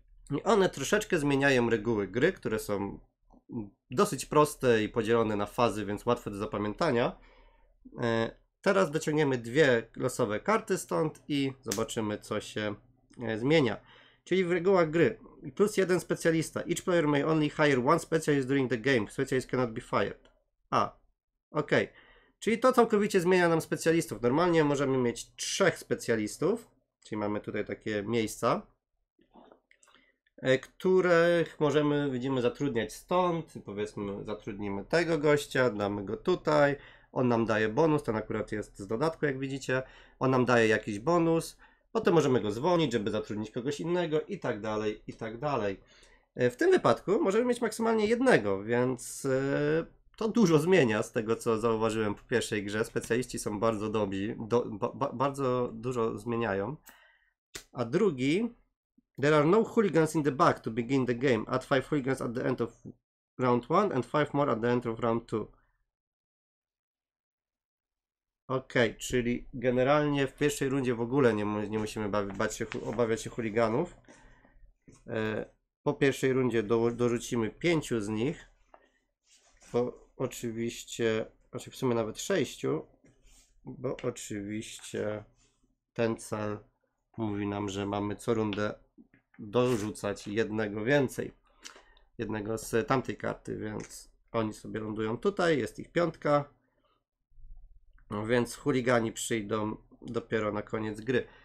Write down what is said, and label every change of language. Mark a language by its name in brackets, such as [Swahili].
[Polish] I one troszeczkę zmieniają reguły gry, które są dosyć proste i podzielone na fazy, więc łatwe do zapamiętania. Teraz dociągniemy dwie losowe karty stąd i zobaczymy, co się zmienia. Czyli w regułach gry. Plus jeden specjalista. [English] Each player may only hire one specialist during the game. Specialist cannot be fired. [Polish] A, okej. Okay. Czyli to całkowicie zmienia nam specjalistów. Normalnie możemy mieć trzech specjalistów, czyli mamy tutaj takie miejsca, których możemy, widzimy, zatrudniać stąd. Powiedzmy, zatrudnimy tego gościa, damy go tutaj. On nam daje bonus, ten akurat jest z dodatku, jak widzicie. On nam daje jakiś bonus. Potem możemy go zwolnić, żeby zatrudnić kogoś innego i tak dalej, i tak dalej. W tym wypadku możemy mieć maksymalnie jednego, więc... To dużo zmienia z tego, co zauważyłem w pierwszej grze. Specjaliści są bardzo dobi, bardzo dużo zmieniają. A drugi... [English] There are no hooligans in the back to begin the game. Add 5 hooligans at the end of round 1 and 5 more at the end of round 2. [Polish] Ok, czyli generalnie w pierwszej rundzie w ogóle nie musimy obawiać się chuliganów. Po pierwszej rundzie dorzucimy 5 z nich. Oczywiście, w sumie nawet 6, bo oczywiście ten cel mówi nam, że mamy co rundę dorzucać jednego więcej, jednego z tamtej karty, więc oni sobie lądują tutaj, jest ich 5, no więc chuligani przyjdą dopiero na koniec gry.